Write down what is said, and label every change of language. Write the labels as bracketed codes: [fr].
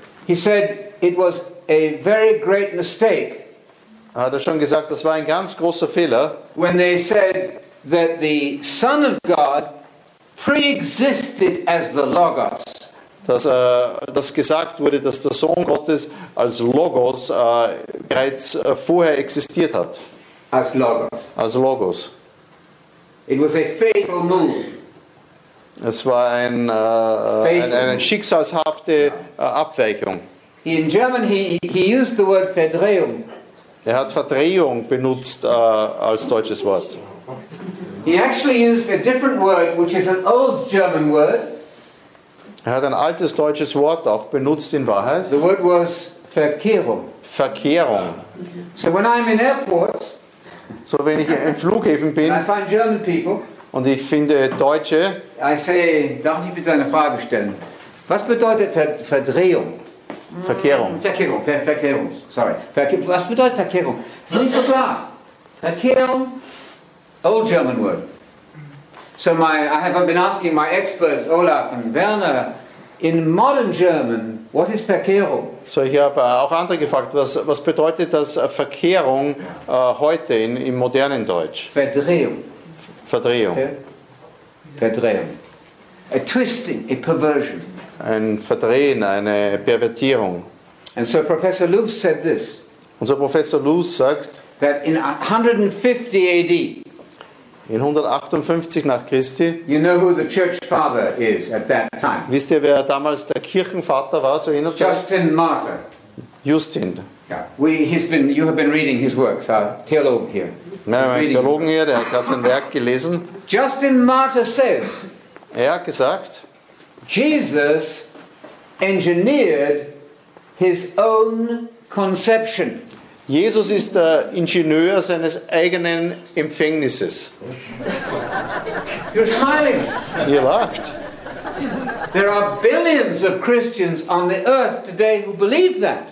[en] He said it was a very great mistake. [de] Hat er schon gesagt, das war ein ganz großer Fehler. [en] When they said that the Son of God pre-existed as the Logos. [de] Dass gesagt wurde, dass der Sohn Gottes als Logos bereits vorher existiert hat. [en] As Logos. [de] Als Logos. [en] It was a fatal move. [de] Es war eine schicksalshafte Abweichung. [en] In German he used the word Verdrehung. [de] Er hat Verdrehung benutzt als deutsches Wort. [en] He actually used a different word, which is an old German word. [de] Er hat ein altes deutsches Wort auch benutzt in Wahrheit. [en] The word was Verkehrung. [de] Verkehrung. [en] So when I'm in airports, [de] so wenn ich im Flughafen bin, [en] I find German people, [de] und ich finde Deutsche, [en] I say, [de] darf ich bitte eine Frage stellen? Was bedeutet Verdrehung? Verkehrung. Verkehrung. Sorry. Was bedeutet Verkehrung? Das ist nicht so klar. Verkehrung. [en] Old German word. So I have been asking my experts, Olaf and Werner, in modern German, what is Verkehrung? [de] So ich habe auch andere gefragt, was bedeutet das Verkehrung heute im modernen Deutsch? Verdrehung. Verdrehung. [en] Okay. Verdrehung. A twisting, a perversion. [de] Ein Verdrehen, eine Pervertierung. [en] And so Professor Luce said this. [de] Und so Professor Luce sagt, [en] that in 150 AD, [de] in 158 nach Christi. [en] You know who the church father is at that time. [de] Wisst ihr, wer damals der Kirchenvater war zu jener Zeit? [en] Justin Martyr. [de] Justin. Yeah. [en] You have been reading his works, our theologe here. [de] Nein, mein Theologen hier, der hat gerade sein Werk gelesen. [en] Justin Martyr says. [de] Er hat gesagt. [en] Jesus engineered his own conception. [de] Jesus ist der Ingenieur seines eigenen Empfängnisses. [en] You're smiling. [de] Ihr lacht. [en] There are billions of Christians on the earth today who believe that.